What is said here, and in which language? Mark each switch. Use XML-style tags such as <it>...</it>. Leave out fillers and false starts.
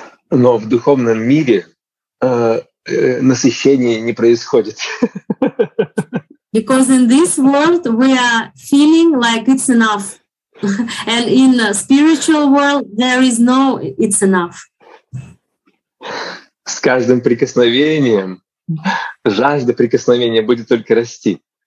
<ru>Но в духовном мире насыщение не происходит.</ru> <en>Because in this world we are feeling like it's enough, and in the spiritual world there is no it's enough.</en> <ru>С каждым прикосновением жажда прикосновения будет только расти.</ru>